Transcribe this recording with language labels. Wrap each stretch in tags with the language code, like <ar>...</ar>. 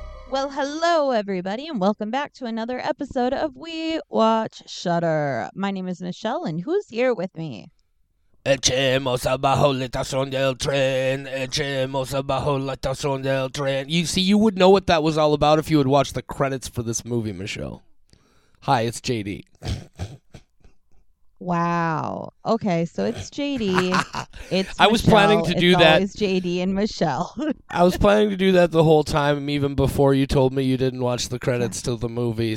<en>Well, hello everybody, and welcome back to another episode of We Watch Shudder. My name is Michelle, and who's here with me?</en> <es>Echemos abajo la estación del tren. Echemos abajo la estación del tren.</es> <en>You see, you would know what that was all about if you had watched the credits for this movie, Michelle. Hi, it's JD. Wow. Okay, so it's JD. I was planning to do it's that. It's JD and Michelle. I was planning to do that the whole time, even before you told me you didn't watch the credits to the movie.</en>